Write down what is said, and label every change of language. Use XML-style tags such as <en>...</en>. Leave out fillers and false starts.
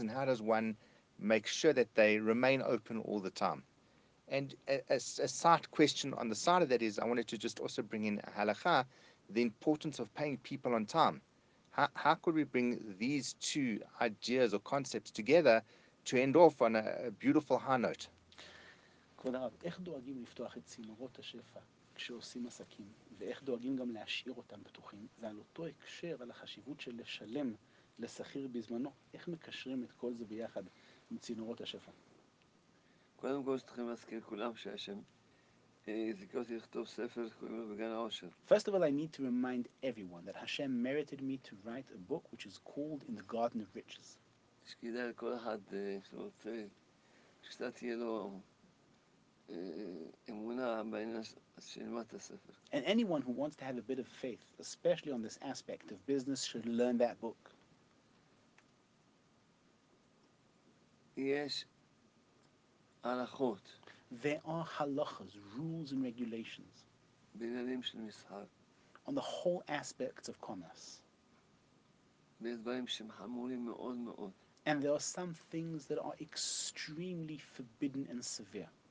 <en>And how does one make sure that they remain open all the time? And a side question on the side of that is, I wanted to just also bring in halakha, the importance of paying people on time. How could we bring these two ideas or concepts together to end off on a beautiful high note?</en> <he>כבוד הרב, איך דואגים לפתוח את צינורות השפע כשעושים עסקים, ואיך דואגים גם להשאיר אותם פתוחים? ועל אותו הקשר, על החשיבות של לשלם לשכיר בזמנו, איך מקשרים את כל זה ביחד עם צינורות השפע? קודם כל, שתכם להזכיר כולם שהשם יזכה אותי לכתוב ספר, קוראים לו בגן העושר.</he> <en>First of all, I need to remind everyone that Hashem merited me to write a book which is called In the Garden of Riches.</en> <he>שכדאי לכל אחד שרוצה, שקצת יהיה לו אמונה בעניין שלמד את הספר.</he> <en>And anyone who wants to have a bit of faith, especially on this aspect of business, should learn that book.</en> <he>יש הלכות.</he> <en>There are halachas, rules and regulations.</en> <he>בעניינים של מסחר.</he> <en>On the whole aspects of commerce.</en> <he>בדברים שהם חמורים מאוד מאוד.</he> <en>And there are some things that are extremely forbidden and severe.</en>